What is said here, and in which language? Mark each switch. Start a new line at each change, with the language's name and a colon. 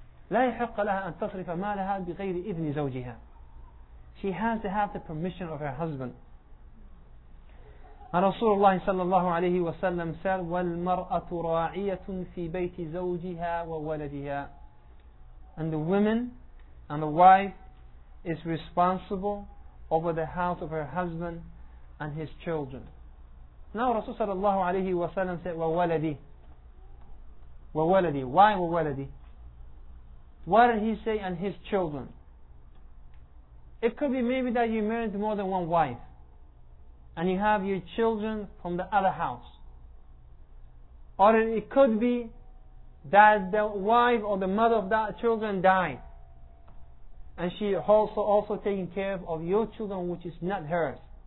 Arabic: لا يحق لها أن تصرف مالها بغير إذن زوجها.
English: She has to have the permission of her husband. And Rasulullah
Arabic: صلى الله عليه وسلم
English: said,
Arabic: والمرأة راعية في بيت زوجها وولدها.
English: And the woman and the wife is responsible over the house of her husband and his children. Now Rasul صلى الله عليه وسلم said,
Arabic: وولدي. وولدي.
English: Why
Arabic: وولدي?
English: What did he say, and his children? It could be maybe that you married more than one wife, and you have your children from the other house. Or it could be that the wife or the mother of that children died, and she also taking care of your children, which is not hers.